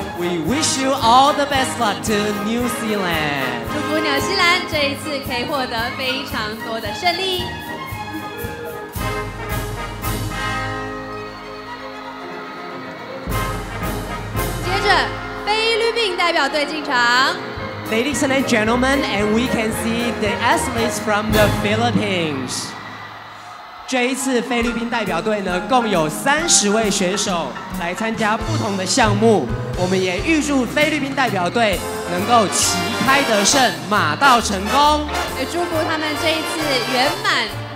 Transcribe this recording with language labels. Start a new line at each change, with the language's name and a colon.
English: We wish you all the best luck to New Zealand。
Chinese: 祝福纽西兰这一次可以获得非常多的胜利。接着，菲律宾代表队进场。
English: Ladies and gentlemen, and we can see the athletes from the Philippines.
Chinese: 这一次菲律宾代表队呢，共有30位选手来参加不同的项目。我们也预祝菲律宾代表队能够旗开得胜，马到成功。也祝福他们这一次圆满。